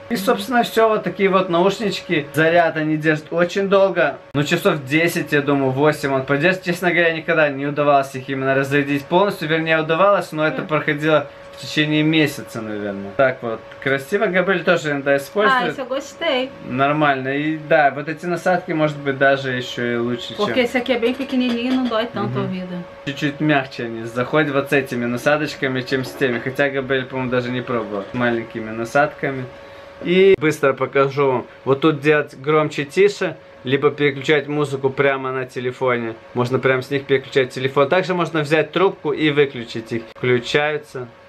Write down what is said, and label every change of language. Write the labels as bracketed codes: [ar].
[ru] И, собственно, все, вот такие вот наушнички. Заряд они держат очень долго, ну, часов 10, я думаю, 8 он подержит. Честно говоря, никогда не удавалось их именно разрядить полностью, вернее, удавалось, но это проходило в течение месяца, наверное. Так вот, красиво, Габриэль тоже иногда использует. А, я gostei. Нормально, и да, вот эти насадки, может быть, даже еще и лучше, чем... [pt] Porque esse aqui é bem pequenininho, não dói tanto ouvido. [ru] Чуть-чуть мягче они заходят вот с этими насадочками, чем с теми. Хотя Габриэль, по-моему, даже не пробовал с маленькими насадками. И быстро покажу вам. Вот тут делать громче, тише, либо переключать музыку прямо на телефоне. Можно прямо с них переключать телефон. Также можно взять трубку и выключить их. Включаются.